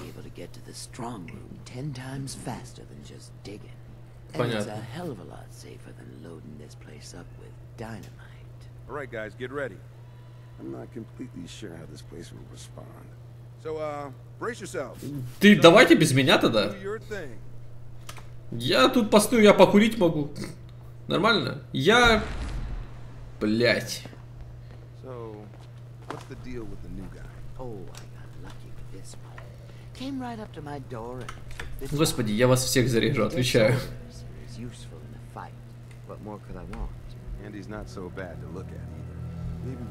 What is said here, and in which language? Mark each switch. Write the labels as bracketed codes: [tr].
[en] Able to get to the strong room 10 times faster than just digging. [ru] Понятно. [en] It's a hell of a lot safer than loading this place up with dynamite. All right, guys, get ready. I'm not completely sure how this place will respond. So, brace yourselves. [ru] Ты давайте без меня тогда. Я тут постою, я покурить могу. Нормально? Я... Блять. [en] So, what's the deal with the new guy? Oh, I got lucky with this one. Came right up to my door and... [ru] Господи, я вас всех зарежу, отвечаю. [en] He's useful in a fight. What more could I want? And he's not so bad to look at either.